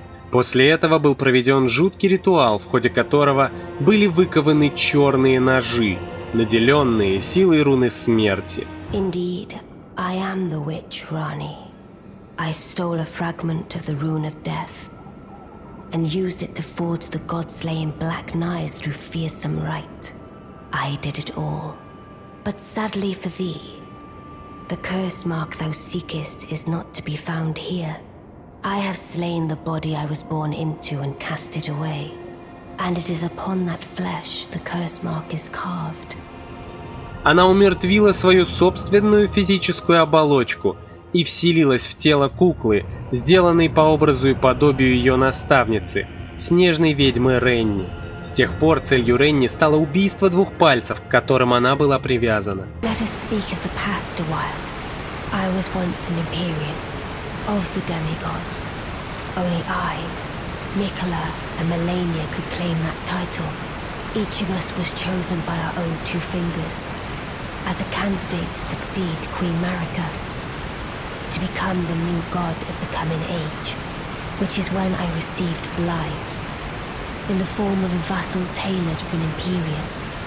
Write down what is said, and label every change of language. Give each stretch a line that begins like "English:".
Russian: После этого был проведен жуткий ритуал, в ходе которого были выкованы черные ножи, наделенные силой руны смерти.
English: Indeed, I am the witch Rani. I stole a fragment of the rune of death and used it to forge the godslaying black knives through fearsome rite. I did it all. But sadly for thee, the curse mark thou seekest is not to be found here. I have slain the body I was born into and cast it away. And it is upon that flesh the curse mark is carved.
Russian: Она умертвила свою собственную физическую оболочку и вселилась в тело куклы, сделанной по образу и подобию ее наставницы, снежной ведьмы Ренни. С тех пор целью Ренни стало убийство двух пальцев, к которым она была привязана.
English: Let us speak of the past a while. I was once an Empyrean of the demigods. Only I, Mikala, and Melania could claim that title. Each of us was chosen by our own two fingers as a candidate to succeed Queen Marika, to become the new god of the coming age, which is when I received Blythe in the form of a vassal tailored for an Empyrean.